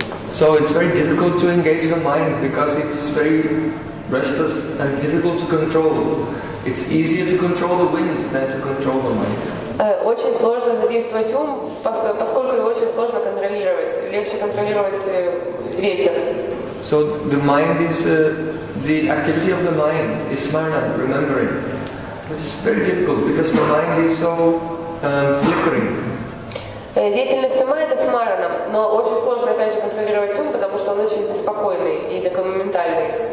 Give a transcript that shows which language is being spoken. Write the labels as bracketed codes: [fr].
[en] So it's very difficult to engage the mind because it's very restless and difficult to control. It's easier to control the wind than to control the mind. [ru] Очень сложно задействовать ум, поскольку его очень сложно контролировать. Легче контролировать ветер. [en] So the mind is the activity of the mind is smarana, remembering. It's very difficult because the mind is so flickering. [ru] Деятельность ума это смарана, но очень сложно опять же контролировать ум, потому что он очень беспокойный и такой моментальный.